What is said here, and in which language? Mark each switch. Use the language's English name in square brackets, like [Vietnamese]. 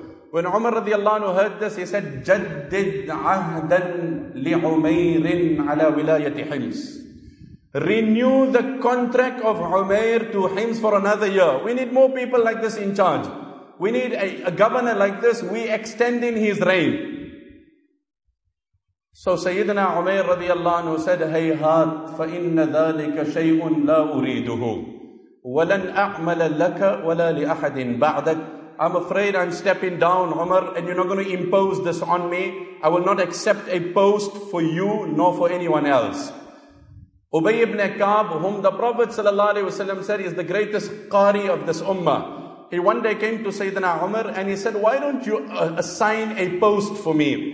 [English] When Umar radiallahu anhu heard this, he said, [Arabic] جَدِّدْ عَهْدًا لِعُمَيْرٍ عَلَى وِلَايَةِ حِمْسِ. [English] Renew the contract of Umair to Hims for another year. We need more people like this in charge. We need a governor like this. We extend in his reign. So Sayyidina Umair radiallahu anhu said, [Arabic] هَيْهَاتْ فَإِنَّ ذَلِكَ شَيْءٌ لَا أُرِيدُهُ وَلَنْ أَعْمَلَ لَكَ وَلَا لِأَحَدٍ بَعْدَكَ. [English] I'm afraid I'm stepping down, Umar, and you're not going to impose this on me. I will not accept a post for you nor for anyone else. Ubay ibn Ka'b, whom the Prophet said is the greatest qari of this ummah, he one day came to Sayyidina Umar and he said, why don't you assign a post for me?